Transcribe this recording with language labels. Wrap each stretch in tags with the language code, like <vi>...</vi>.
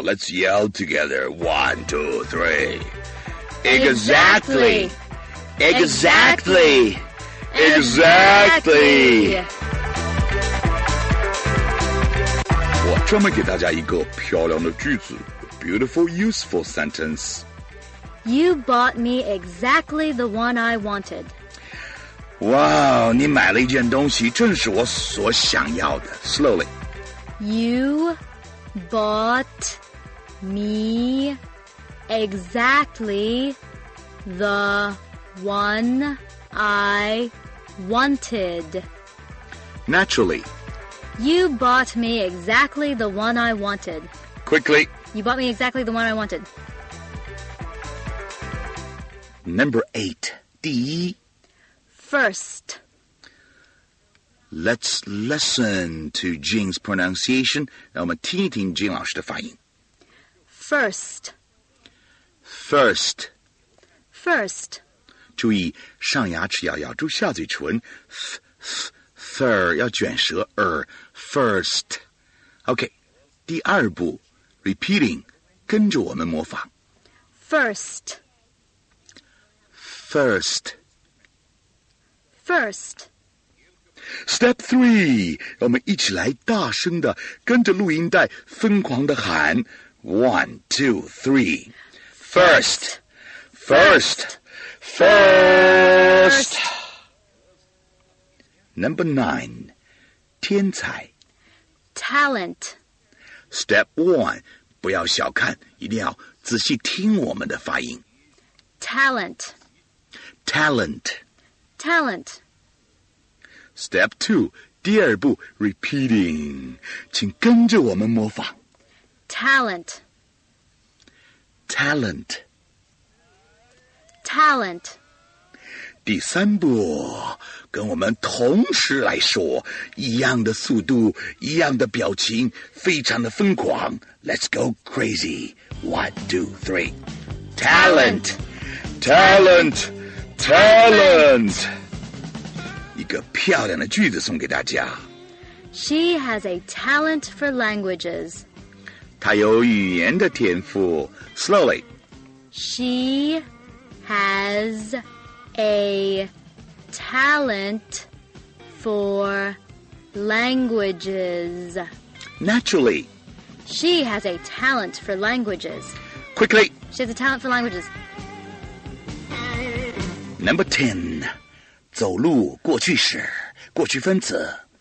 <en>Let's yell together. One, two, three. Exactly. Exactly. Exactly.</en> <zh>我专门给大家一个漂亮的句子 ,</zh> <en>beautiful, useful sentence. You bought me exactly the one I wanted.</en> <zh>哇、wow, 你买了一件东西正是我所想要的</zh> <en>Slowly You bought me exactly the one I wanted Naturally You bought me exactly the one I wanted Quickly You bought me exactly the one I wanted Number 8</en> <zh>第一</zh> <en>First, let's listen to Jing's pronunciation.</en> <zh>让我们听一听 Jing 老师的发音。</zh> <en>First, first, first.</en> <zh>注意上牙齿要咬住下嘴唇 ，third 要卷舌 ，first. Okay, 第二步 ，</zh> <en>repeating，</en> <zh>跟着我们模仿。</zh> <en>First, first. First. Step three,</en> <zh>让我们一起来大声地跟着录音带疯狂地喊</zh> <en>One, two, three. First. First. First. Number nine,</en> <zh>天才</zh> <en>Talent. Step one,</en> <zh>不要小看，一定要仔细听我们的发音</zh> <en>Talent. Talent. Talent. Step two,</en> <zh>第二步</zh> <en>repeating,</en> <zh>请跟着我们模仿。</zh> <en>Talent. Talent. Talent.</en> <zh>第三步跟我们同时来说一样的速度一样的表情非常的疯狂。</zh> <en>Let's go crazy. One, two, three. Talent. Talent. Talent.</en> <zh>一个漂亮的句子送给大家</zh> <en>She has a talent for languages</en> <zh>她有语言的天赋</zh> <en>Slowly She has a talent for languages Naturally She has a talent for languages Quickly She has a talent for languages Number 10</en> <zh>走路过去时过去分词</zh>